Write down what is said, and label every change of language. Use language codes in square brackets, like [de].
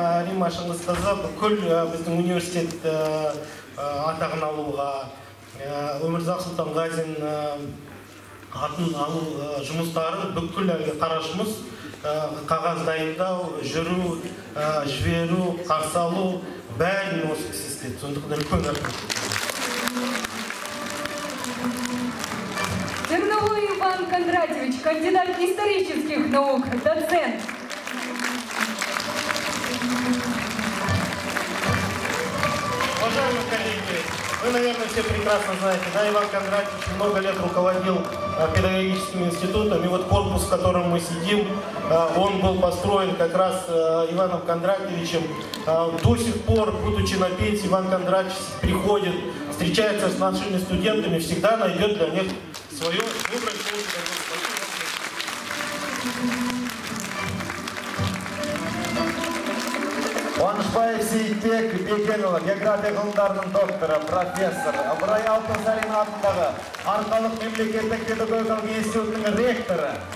[kk] Римашыңыз қазы бүкіл біздің университет атағын алуға Умурзак Султангазин атын алу жұмыстарын бүкіл әлгі қарашымыз қағаз дайындау, жүру, жіберу, қарсы алу бәрін осы кісісті. Сондықтан үлкен рахмет. [ru] Терновой Иван Кондратьевич, кандидат исторических наук, доцент. Уважаемые коллеги, вы, наверное, все прекрасно знаете, да, Иван Кондратьевич много лет руководил педагогическим институтом, и вот корпус, в котором мы сидим, он был построен как раз Иваном Кондратьевичем. До сих пор, будучи на пенсии, Иван Кондратьевич приходит, встречается с нашими студентами, всегда найдет для них свое выбрать лучшее. [kk] Қуанышбаев Сейітбек Бекенұлы, география ғылымдарының докторы, профессор, Ыбырай Алтынсарин атындағы Арқалық мемлекеттік педагогикалық институтының ректоры.